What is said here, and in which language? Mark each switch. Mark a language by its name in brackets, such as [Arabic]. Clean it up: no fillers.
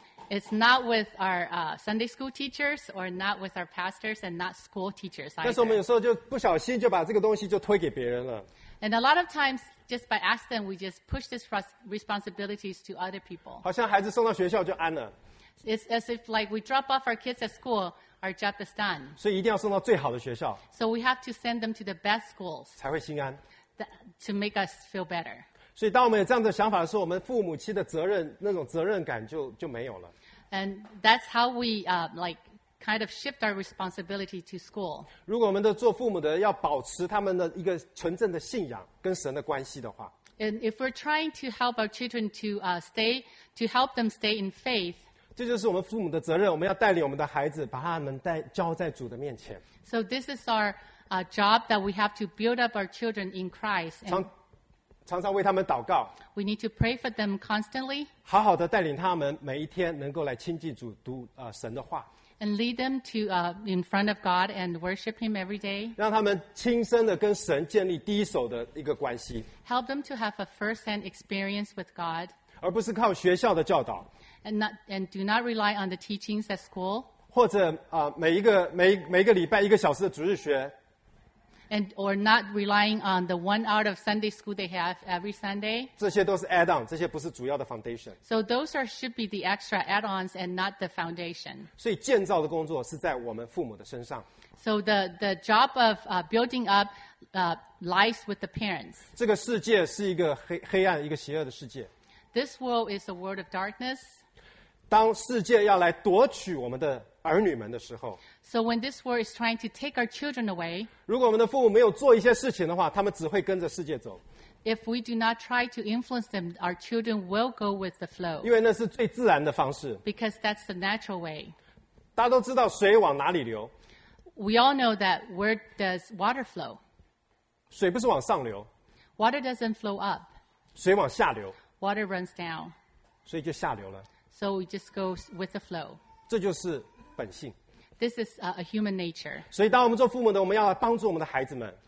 [English] It's not with our Sunday school teachers or not with our pastors and not school teachers either. [Chinese] 但是我们有时候就不小心就把这个东西就推给别人了。 [English] And a lot of times, just by asking, we just push this responsibilities to other people. [Chinese] 好像孩子送到学校就安了。 [English] It's as if like we drop off our kids at school, our job is done. [Chinese] 所以一定要送到最好的学校。 [English] So we have to send them to the best schools. [Chinese] 才会心安。 [English] To make us feel better. [Chinese] 所以当我们有这样的想法的时候我们父母亲的责任那种责任感就没有了。 [English] And that's how we, like, kind of shift our responsibility to school. [Chinese] 如果我们的做父母的要保持他们的一个纯正的信仰跟神的关系的话。 [English] And if we're trying to help our children to, to help them stay in faith, [Chinese] 这就是我们父母的责任我们要带领我们的孩子把他们交在主的面前。 [English] So this is our, job that we have to build up our children in Christ. And... [Chinese] 常常为他们祷告 [English] We need to pray for them constantly. [Chinese] 好好的带领他们每一天能够来亲近主读神的话 [English] And lead them to in front of God and worship Him every day. [Chinese] 让他们亲身的跟神建立第一手的一个关系 [English] Help them to have a first-hand experience with God. [Chinese] 而不是靠学校的教导 [English] And do not rely on the teachings at school. [Chinese] 或者每一个礼拜一个小时的主日学 [English] And or not relying on the 1 hour of Sunday school they have every Sunday. [Chinese] 这些都是 add-on, 这些不是主要的 foundation. [English] So those are should be the extra add-ons and not the foundation. [Chinese] 所以建造的工作是在我们父母的身上。 [English] So the job of building up lies with the parents. [Chinese] 这个世界是一个黑暗、一个邪恶的世界。 [English] This world is a world of darkness. [Chinese] 当世界要来夺取我们的。儿女们的时候 [English] So when this world is trying to take our children away, [Chinese] 如果我们的父母没有做一些事情的话，他们只会跟着世界走。 [English] If we do not try to influence them, our children will go with the flow. [Chinese] 因为那是最自然的方式。 [English] Because that's the natural way. [Chinese] 大家都知道水往哪里流。 [English] We all know that where does water flow? [Chinese] 水不是往上流。 [English] Water doesn't flow up. [Chinese] 水往下流。 [English] Water runs down. [Chinese] 所以就下流了。 [English] So we just go with the flow. [Chinese] 这就是本性。 [English] This is a human nature. [Chinese] 所以当我们做父母的我们要帮助我们的孩子们。